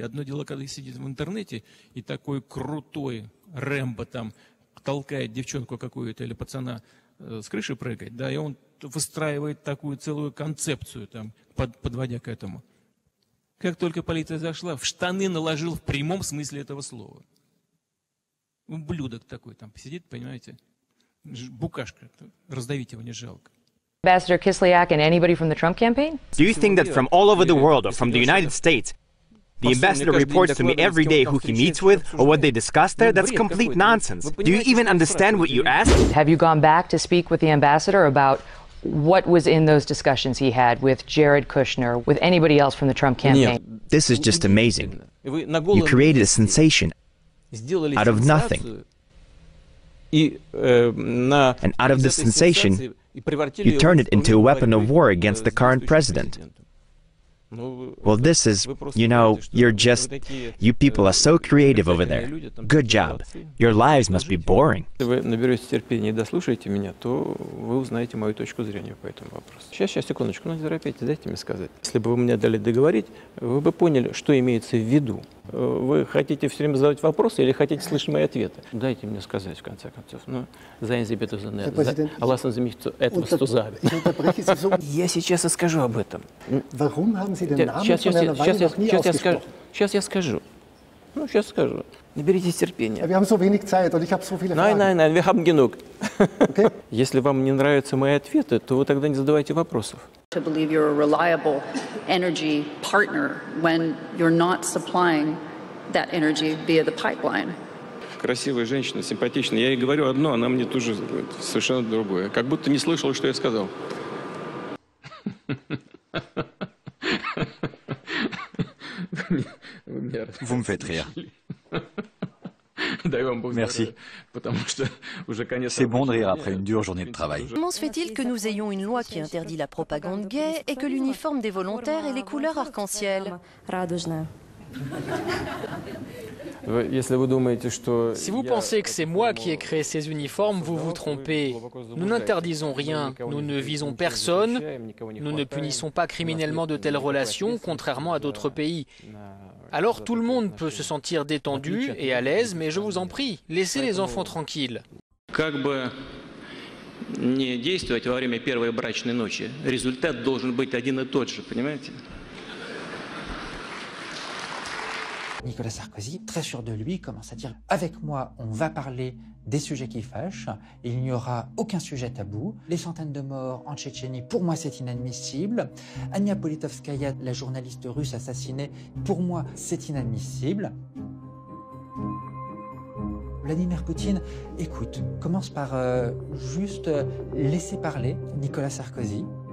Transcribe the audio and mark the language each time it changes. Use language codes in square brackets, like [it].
[ru] Одно дело, когда сидит в интернете, и такой крутой Рэмбо там толкает девчонку какую-то или пацана с крыши прыгать, да, и он выстраивает такую целую концепцию, там, подводя к этому. Как только полиция зашла, в штаны наложил в прямом смысле этого слова. Ублюдок такой там сидит, понимаете? Букашка. Раздавить его не жалко. [en] Амбассадор Кислиак и anybody from the Trump campaign? Do you think that from all over the world or from the United States, the ambassador reports to me every day who he meets with or what they discuss there? That's complete nonsense. Do you even understand what you ask? Have you gone back to speak with the ambassador about what was in those discussions he had with Jared Kushner, with anybody else from the Trump campaign? This is just amazing. You created a sensation out of nothing. And out of the sensation, you turned it into a weapon of war against the current president. Well, this is, you know, you're just, you people are so creative over there. Good job. Your lives must be boring. [ru] Если вы наберете терпение и дослушаете меня, то вы узнаете мою точку зрения по этому вопросу. Сейчас, сейчас, секундочку, не торопитесь, дайте мне сказать. Если бы вы мне дали договорить, вы бы поняли, что имеется в виду. Вы хотите все время задавать вопросы или хотите слышать мои ответы? Дайте мне сказать, в конце концов. Ну, я сейчас и скажу об этом. Сейчас я скажу. Ну, сейчас скажу. Наберитесь терпения. [de] Wir haben so wenig Zeit und ich habe so viele Fragen. Nein, nein, nein, wir haben genug. [en] Okay. [ru] Если вам не нравятся мои ответы, то вы тогда не задавайте вопросов. [en] To believe you're a reliable energy partner when you're not supplying that energy via the pipeline. [ru] Красивая женщина, симпатичная. Я ей говорю одно, она мне тут же совершенно другое. Как будто не слышала, что я сказал. [fr] Vous me faites rire. Merci. C'est bon de rire après une dure journée de travail. Comment se fait-il que nous ayons une loi qui interdit la propagande gay et que l'uniforme des volontaires ait les couleurs arc-en-ciel? Si vous pensez que c'est moi qui ai créé ces uniformes, vous vous trompez. Nous n'interdisons rien, nous ne visons personne, nous ne punissons pas criminellement de telles relations, contrairement à d'autres pays. Alors tout le monde peut se sentir détendu et à l'aise, mais je vous en prie, laissez les enfants tranquilles. [ru] Как бы не действовать во время первой брачной ночи, результат должен быть один и тот же, понимаете? [fr] Nicolas Sarkozy, très sûr de lui, commence à dire « Avec moi, on va parler des sujets qui fâchent, il n'y aura aucun sujet tabou. Les centaines de morts en Tchétchénie, pour moi, c'est inadmissible. Anna Politkovskaya, la journaliste russe assassinée, pour moi, c'est inadmissible. » Vladimir Poutine, écoute, commence par juste laisser parler Nicolas Sarkozy.